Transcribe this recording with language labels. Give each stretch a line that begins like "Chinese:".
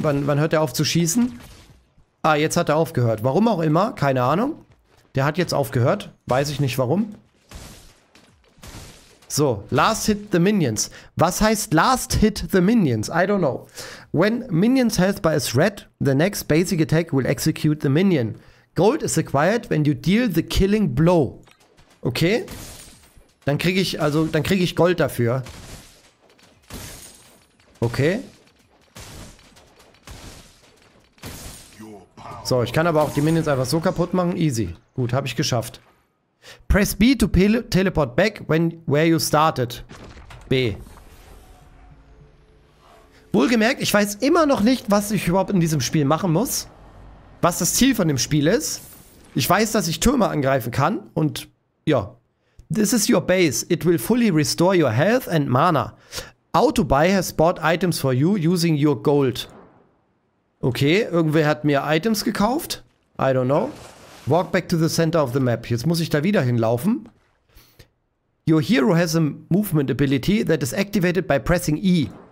German: Wann hört er auf zu schießen? Ah, jetzt hat er aufgehört. Warum auch immer? Keine Ahnung. Der hat jetzt aufgehört. Weiß ich nicht warum.
English: So, last hit the minions.
German: Was heißt
English: last hit the minions? I don't know. When minions health bar is red, the next basic attack will execute the minion. Gold is acquired when you deal the killing blow. Okay.
German: Dann kriege ich, also, dann kriege ich Gold dafür. Okay. So, ich kann aber auch die Minions einfach so kaputt machen.
English: Easy.
German: Gut, habe ich geschafft.
English: Press B to teleport back when where you started. B.
German: Wohlgemerkt, ich weiß immer noch nicht, was ich überhaupt in diesem Spiel machen muss. Was das Ziel von dem Spiel ist. Ich weiß, dass ich Türme angreifen kann und ja.
English: This is your base. It will fully restore your health and mana. Autobuy has bought items for you using your gold. Okay,
German: irgendwer hat mir Items gekauft.
English: I don't know. Walk back to the center of the map.
German: Jetzt muss ich da wieder hinlaufen.
English: Your hero has a movement ability that is activated by pressing E.